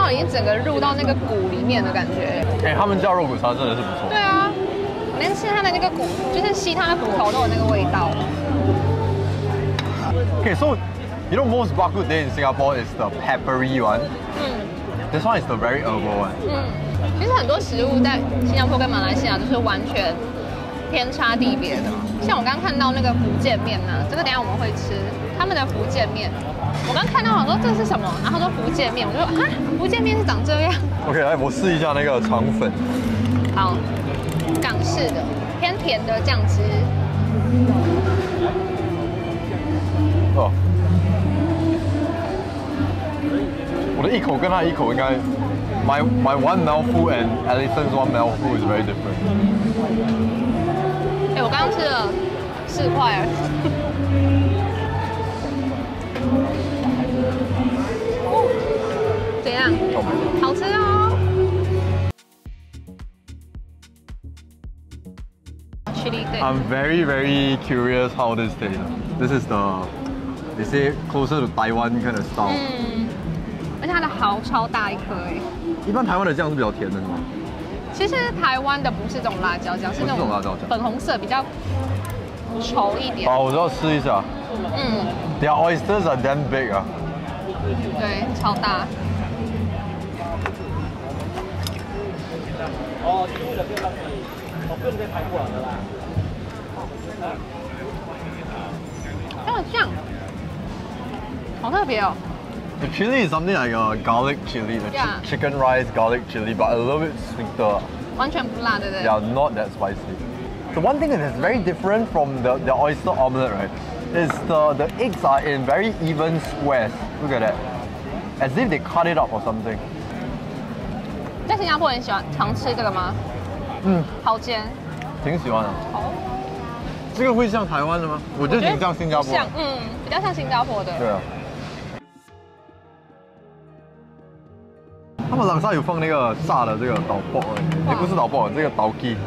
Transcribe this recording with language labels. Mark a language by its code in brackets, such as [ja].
[zh] 整个入到那个骨里面的感觉。欸，他们叫肉骨茶真的是不错。对啊，我连吃它的那个骨，就是吸它的骨头都有那个味道。 [en] Okay, so you know most bak kut teh in Singapore is the peppery one. 嗯。 This one is the very herbal one. 嗯， [zh] 其实很多食物在新加坡跟马来西亚都是完全天差地别的。像我刚看到那个福建面呢，这个等一下我们会吃。他们的福建面，我刚看到我说这是什么，然后说福建面，我就说啊，福建面是长这样。 OK， 来我试一下那个肠粉。好，港式的偏甜的酱汁。哦，我的一口跟他一口应该 [en] ，my one mouthful and Alison's one mouthful is very different。 [zh] 哎，我刚刚吃了4块。怎样？好吃哦。 [en] I'm very very curious how this tastes. This is the they say closer to Taiwan kind of style. 嗯， [zh] 而且它的蚝超大一颗哎。一般台湾的酱是比较甜的是吗？其实台湾的不是这种辣椒酱，是那种辣椒酱，粉红色比较稠一点。好，我要试一下。嗯。 [en] Their oysters are damn big. [zh] 啊，对，超大。这个酱好特别哦。 [en] The chili is something like a garlic chili, the chicken rice garlic chili, but a little bit sweeter. [zh] 完全不辣，对不对？ [en] Yeah, not that spicy. The one thing that is very different from the oyster omelette, right? Is the eggs are in very even squares. Look at that. As if they cut it up or something. [zh] 在新加坡很喜欢常吃这个吗？嗯，好煎。挺喜欢的。哦。这个会像台湾的吗？我觉得挺像新加坡。像，嗯，比较像新加坡的。对啊。他们冷沙有放那个炸的这个导爆，也不是导爆，这个导鸡。